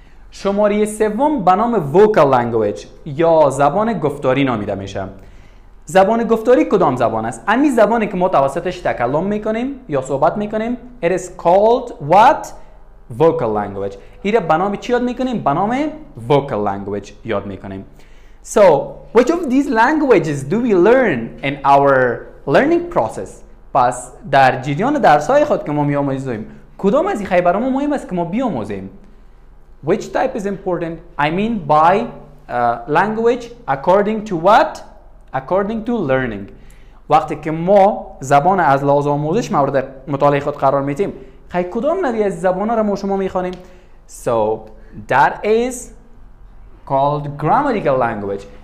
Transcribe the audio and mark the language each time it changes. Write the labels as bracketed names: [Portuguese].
[Persian] شماره سوم به نام vocal language یا زبان گفتاری نامیده میشه. زبان گفتاری کدام زبان است؟ امی زبانی که ما توسطش تکلم میکنیم یا صحبت میکنیم. [English] It is called what? vocal language. [Persian] ایره بنامه چی یاد میکنیم؟ بنامه vocal language یاد میکنیم. [English] So, which of these languages do we learn in our learning process? [Persian] پس در جریان درسای خود که ما میاموزیم کدام از این خیلی برامو مهم است که ما بیاموزیم؟ [English] Which type is important? I mean by language according to what? According to learning. [Persian] وقتی که ما زبان از لحاظ آموزش مورد مطالعه خود قرار میتیم خیلی کدام نوعی از زبان ها را ما شما میخوانیم؟ [English] So that is called grammatical language.